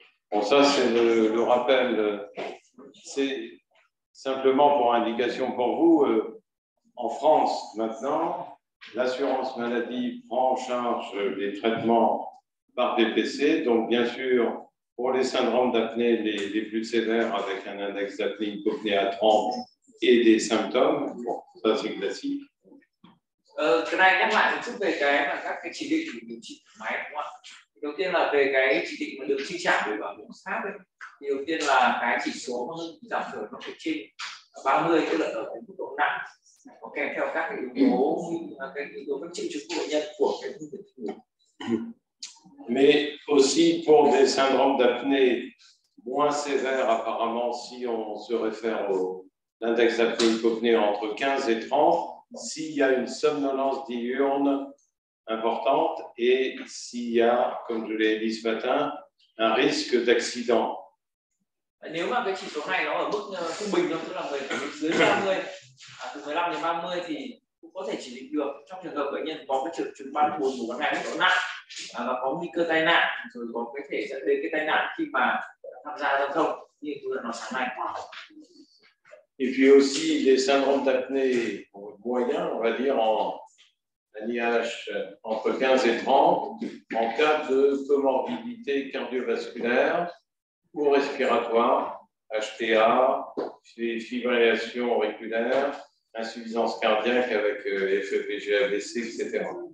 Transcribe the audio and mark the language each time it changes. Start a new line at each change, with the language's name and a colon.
French: Bon, ça c'est le rappel, c'est simplement pour indication pour vous, en France maintenant, l'assurance maladie prend en charge les traitements par DPC, donc bien sûr pour les syndromes d'apnée les plus sévères avec un index d'apnée hypopnée à 30 et des symptômes, bon, ça c'est classique.
Vietnamese: Cái này nhắc lại một chút về cái mà các cái chỉ định của điều trị máy đúng không ạ? Đầu tiên là về cái chỉ định mà được chi trả về bảo hiểm xã hội thì đầu tiên là cái chỉ số giảm thiểu nó phải trên 30, tức là ở cái mức độ nặng có kèm theo các cái yếu tố các triệu chứng của bệnh nhân của cái khu vực ngủ.
French: Mais aussi pour des syndromes d'apnée moins sévères apparemment si on se réfère au l'index d'apnée hypopnée entre 15 et 30. S'il y a une somnolence diurne importante et s'il y a, comme je l'ai dit ce matin, un risque d'accident.
Vietnamese: Nếu mà cái chỉ số này nó ở mức trung bình, tức là dưới 30, từ 15 đến 30 thì cũng có thể chỉ định được trong trường hợp bệnh nhân có cái triệu chứng ban buồn ngủ ban ngày rất nặng và có nguy cơ tai nạn, rồi có cái thể dẫn đến cái tai nạn khi mà tham gia giao thông như tôi đã nói sáng nay.
French: Et puis aussi les syndromes d'apnée moyens, on va dire en NIH entre 15 et 30, en cas de comorbidité cardiovasculaire ou respiratoire, HTA, fibrillation auriculaire, insuffisance cardiaque avec FEPG, AVC, etc.